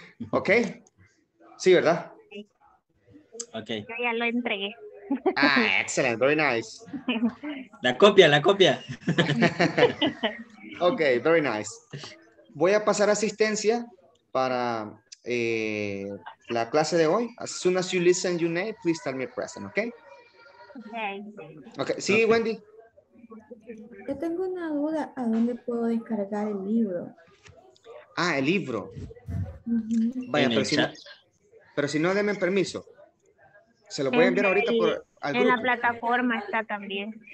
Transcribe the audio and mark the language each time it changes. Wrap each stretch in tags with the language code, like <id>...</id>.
<es>¿Ok? Sí, ¿verdad? Ok. Yo ya lo entregué. Ah, excelente,</es> <en>very nice.</en> <es>La copia. Ok,</es> <en>very nice.</en> <es>Voy a pasar asistencia para la clase de hoy.</es> <en>As soon as you listen your name, please tell me present, ¿ok? Ok.</en> <es>Ok, sí, okay. Wendy. Yo tengo una duda, ¿a dónde puedo descargar el libro? Ah, el libro. Uh-huh. Vaya, pero si no, denme permiso. Se lo voy a enviar ahorita por al grupo. En la plataforma está también.</es>